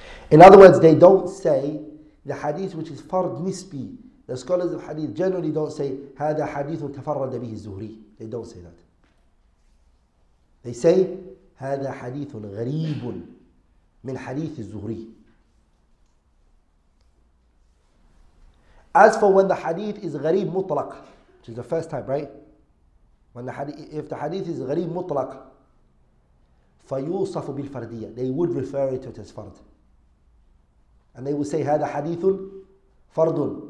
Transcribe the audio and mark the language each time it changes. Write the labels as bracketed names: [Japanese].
[English] In other words, they don't say the hadith which is fard nisbi. The scholars of hadith generally don't say [Arabic] هذا حديث تفرد به الزهري. [English] They don't say that. They say [Arabic] هذا حديث غريب من حديث الزهري. [English] As for when the hadith is غريب مطلق, which is the first type, right? When the hadith, if the hadith is غريب مطلق, [Arabic] فيوصف بالفردية. [English] They would refer it to it as fard. And they would say [Arabic] هذا حديث فرد.